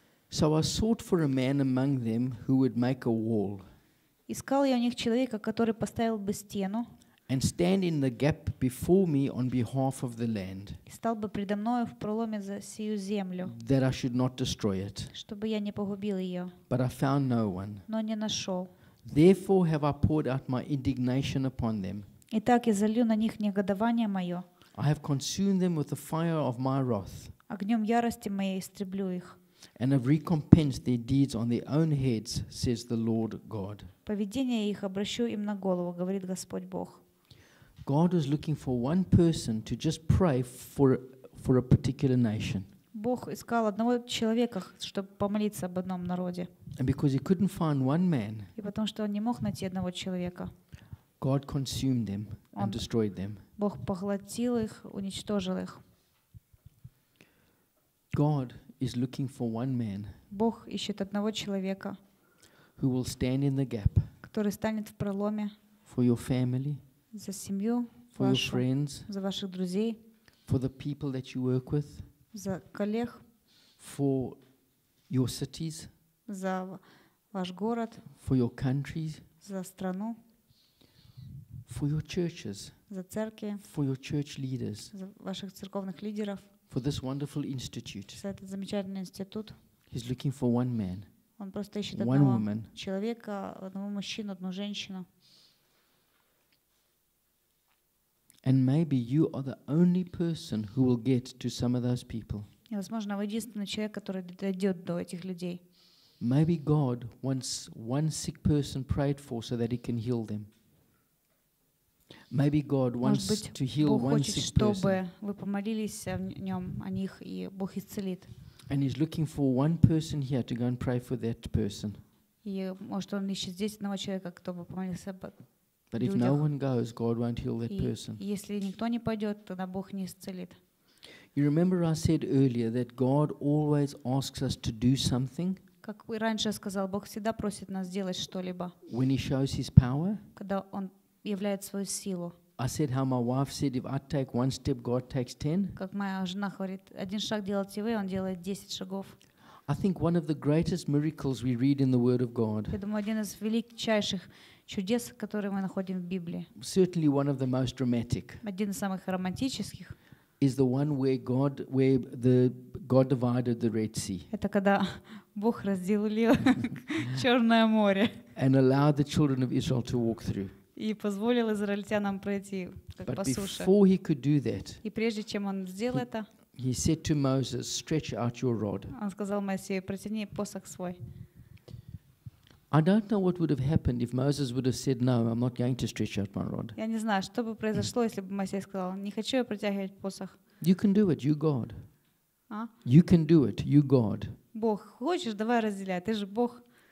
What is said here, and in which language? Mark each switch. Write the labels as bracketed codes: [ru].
[en] So I sought for a man among them who would make a wall. [ru] Искал я у них человека, который поставил бы стену. [en] And stand in the gap before me on behalf of the land. [ru] Стал бы предо мною в проломе за сию землю. [en] That I should not destroy it. [ru] Чтобы я не погубил ее. [en] But I found no one. [ru] Но не нашел. [en] Therefore have I poured out my indignation upon them. [ru] Итак, я залью на них негодование мое. [en] I have consumed them with the fire of my wrath. [ru] Огнем ярости моей истреблю их. [en] And have recompensed their deeds on their own heads, says the Lord God. [ru] Поведение их обращу им на голову, говорит Господь Бог. [en] God was looking for one person to just pray for a particular nation. [ru] Бог искал одного человека, чтобы помолиться об одном народе. [en] And because he couldn't find one man. [ru] И потому что он не мог найти одного человека. [en] God consumed them and destroyed them. [ru] Бог поглотил их, уничтожил их. [en] God is looking for one man. [ru] Бог ищет одного человека. [en] Who will stand in the gap? [ru] Который станет в проломе. [en] For your family. [ru] За семью, [en] for [ru] вашу, [en] your friends, [ru] за ваших друзей, [en] for the people that you work with, [ru] за коллег, [en] for your cities, [ru] за ваш город, [en] for your countries, [ru] за страну, [en] for your churches, [ru] за церкви, [en] for your church leaders, [ru] за ваших церковных лидеров, [en] for this wonderful institute, [ru] за этот замечательный институт. [en] He's looking for one man, [ru] он просто ищет одного [en] woman, [ru] человека, одного мужчину, одну женщину. [en] And maybe you are the only person who will get to some of those people. [ru] И возможно, вы единственный человек, который дойдет до этих людей. [en] Maybe God wants one sick person prayed for so that he can heal them. Maybe God wants to heal one sick person. [ru] Может быть, Бог хочет, чтобы вы помолились о нем, о них, и Бог исцелит. [en] And he's looking for one person here to go and pray for that person. [ru] И может, он ищет здесь одного человека, кто бы помолился об этом. [en] But if no one goes, God won't heal that person. [ru] Если никто не пойдет, тогда Бог не исцелит. [en] You remember I said earlier that God always asks us to do something. [ru] Как и раньше сказал, Бог всегда просит нас сделать что-либо. [en] When He shows His power. [ru] Когда Он являет свою силу. [en] I said how my wife said, if I take one step, God takes 10. [ru] Как моя жена говорит, один шаг делаете вы, Он делает 10 шагов. [en] I think one of the greatest miracles we read in the Word of God. [ru] Я думаю, один из величайших чудес, которые мы находим в Библии. [en] Certainly one of the most dramatic. [ru] Один из самых романтических. [en] Is the one where God divided the Red Sea. [ru] Это когда Бог разделил Черное море. [en] And allowed the children of Israel to walk through. [ru] И позволил израильтянам пройти как [en] but [ru] по суше. [en] But before he could do that. [ru] И прежде чем он сделал это. [en] He said to Moses, "Stretch out your rod." [ru] Он сказал Моисею, протяни посох свой. [en] I don't know what would have happened if Moses would have said, "No, I'm not going to stretch out my rod." [ru] Я не знаю, что бы произошло, если бы Моисей сказал, не хочу я протягивать посох. [en] You can do it, you God. You can do it, you God. [ru] Бог, хочешь, давай разделяй, ты же Бог.